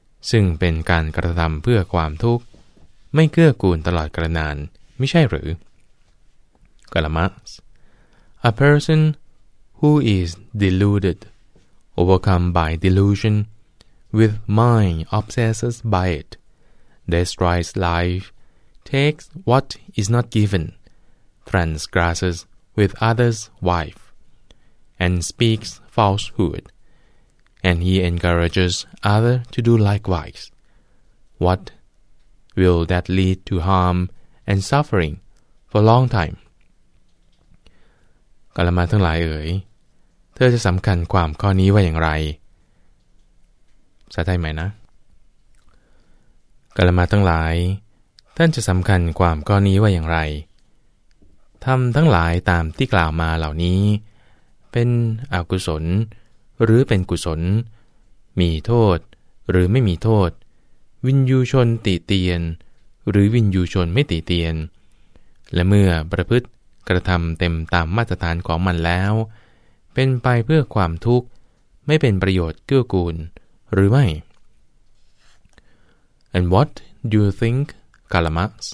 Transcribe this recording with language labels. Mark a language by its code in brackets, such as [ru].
[th] ซึ่งเป็นการกระทำเพื่อความทุกข์ไม่เกื้อกูลตลอดกาลนานไม่ใช่หรือกาลมะ [en] A person who is deluded, overcome by delusion, with mind obsessed by it, destroys life, takes what is not given, transgresses with others' wife, and speaks falsehood. And he encourages other to do likewise. What will that lead to harm and suffering for a long time? [th] กาลมะทั้งหลายเอ๋ยเธอจะสำคัญความข้อนี้ว่าอย่างไรสาธัยใหม่นะกาลมะทั้งหลายท่านจะสำคัญความข้อนี้ว่าอย่างไร ทำทั้งหลายตามที่กล่าวมาเหล่านี้เป็นอกุศลหรือเป็นกุศลมีโทษหรือไม่มีโทษวินยูชนติเตียนหรือวินยูชนไม่ติเตียนและเมื่อประพฤติกระทำเต็มตามมาตรฐานของมันแล้วเป็นไปเพื่อความทุกข์ไม่เป็นประโยชน์เกื้อกูลหรือไม่ [en] And what do you think, Kalama?